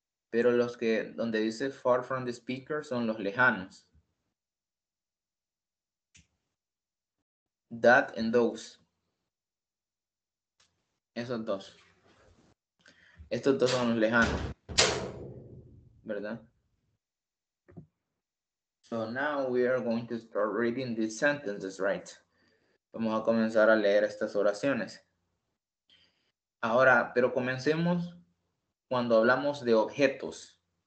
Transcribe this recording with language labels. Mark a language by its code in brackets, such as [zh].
[es] Pero los que, donde dice [en] far from the speaker, [es] son los lejanos. [en] That and those. [es] Esos dos. Estos dos son los lejanos. ¿Verdad? [en] So now we are going to start reading these sentences, right? [es] Vamos a comenzar a leer estas oraciones. Ahora, pero comencemos cuando hablamos de objetos.